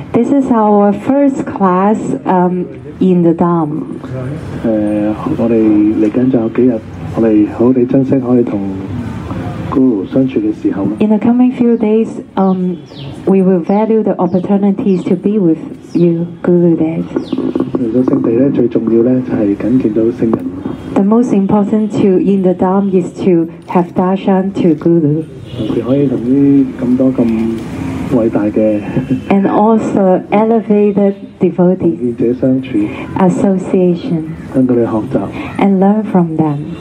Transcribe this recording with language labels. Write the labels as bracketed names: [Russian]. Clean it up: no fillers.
[English] This is our first class in the Dham. [Cantonese] 我哋嚟緊仲有幾日，我哋好好地珍惜我哋同 Guru 相處嘅時候啦。 [English] In the coming few days, we will value the opportunities to be with you, Guru Dev. [Cantonese] 嚟咗聖地咧，最重要咧就係緊見到聖人。 [English] The most important to in the Dham is to have darshan to Guru. And also elevated devotees association and learn from them.